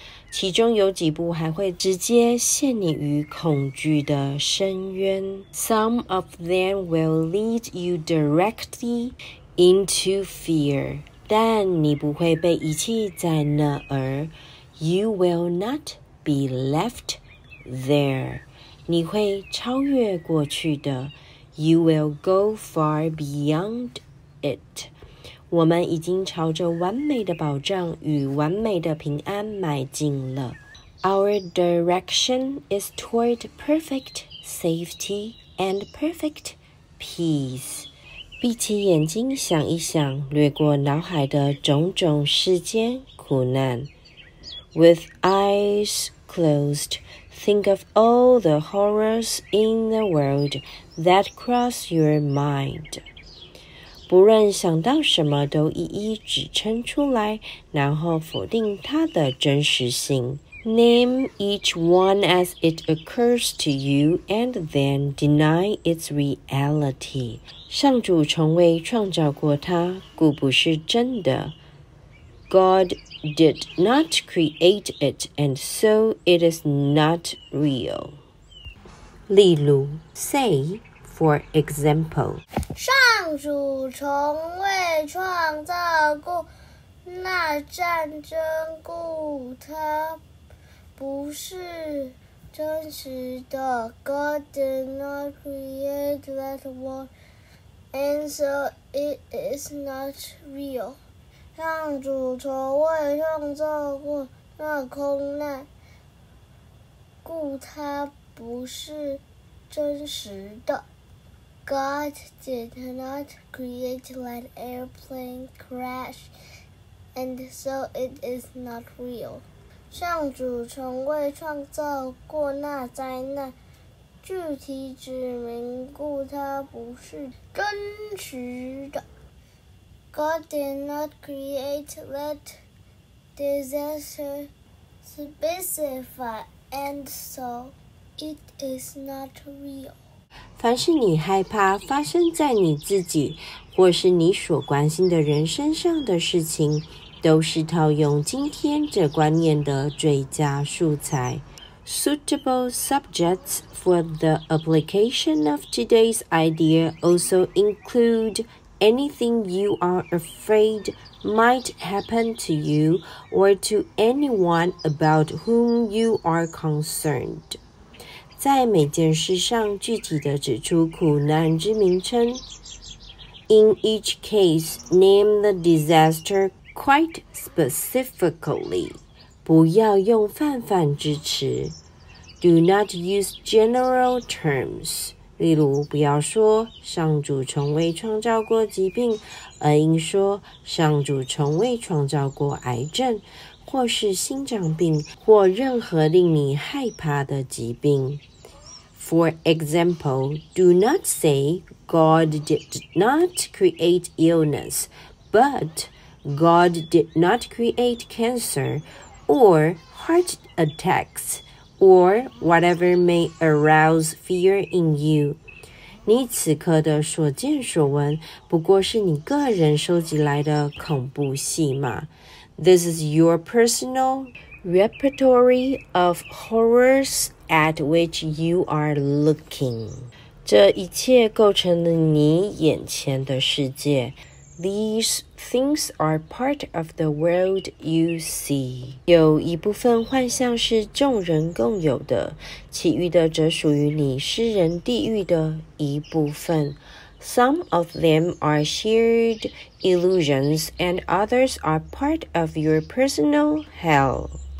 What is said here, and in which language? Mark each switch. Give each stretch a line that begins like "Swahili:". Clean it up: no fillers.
Chinese: 其中有几步还会直接陷你于恐惧的深渊。
English: Some of them will lead you directly into fear.
Chinese: 但你不会被遗弃在那儿。
English: You will not be left there.
Chinese: 你会超越过去的。
English: You will go far beyond it.
Chinese: 我们已经朝着完美的保障与完美的平安迈进了。
English: Our direction is toward perfect safety and perfect peace.
Chinese: 闭起眼睛想一想，掠过脑海的种种世间苦难。
English: With eyes closed, think of all the horrors in the world that cross your mind.
Chinese: 不论想到什么都一一指称出来，然后否定它的真实性。
English: Name each one as it occurs to you and then deny its reality.
Chinese: 上主从未创造过它，故不是真的。
English: God did not create it and so it is not real.
Chinese: 例如
English: say...For example,
Chinese: 上主从未创造过那战争故，它不是真实的。
English: God did not create that world, and so it is not real.
Chinese: 上主从未创造过那空难，故它不是真实的。
English: God did not create that airplane crash, and so it is not real.
Chinese: 上主从未创造过那灾难，具体指明故它不是真实的。
English: God did not create that disaster specified, and so it is not real.
Chinese: 凡是你害怕发生在你自己或是你所关心的人身上的事情，都是套用今天这观念的最佳素材。
English: Suitable subjects for the application of today's idea also include anything you are afraid might happen to you or to anyone about whom you are concerned.
Chinese: 在每件事上具体地指出苦难之名称。
English: In each case, name the disaster quite specifically.
Chinese: 不要用泛泛之词。
English: Do not use general terms.
Chinese: 例如不要说上主从未创造过疾病，而应说上主从未创造过癌症，或是心脏病，或任何令你害怕的疾病。
English: For example, do not say God did not create illness, but God did not create cancer or heart attacks or whatever may arouse fear in you.
Chinese: 你此刻的所见所闻不过是你个人收集来的恐怖戏码。
English: This is your personal repertory of horrors. At which you are looking.
Chinese: 这一切构成了你眼前的世界。
English: These things are part of the world you see.
Chinese: 有一部分幻象是众人共有的，其余的则属于你诗人地狱的一部分。
English: Some of them are shared illusions, and others are part of your personal hell.